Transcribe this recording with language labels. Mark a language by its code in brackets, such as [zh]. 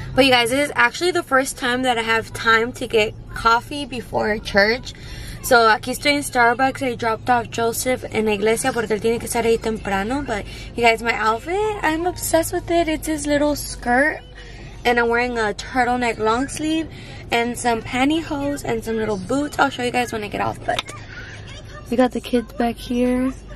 [en] But you guys, this is actually the first time that I have time to get coffee before church. So [es] aquí estoy [en] in Starbucks. I dropped off [es] Joseph en la iglesia porque él tiene que estar ahí temprano. [en] But you guys, my outfit, I'm obsessed with it. It's this little skirt and I'm wearing a turtleneck long sleeve and some pantyhose and some little boots. I'll show you guys when I get off, but we got the kids back here.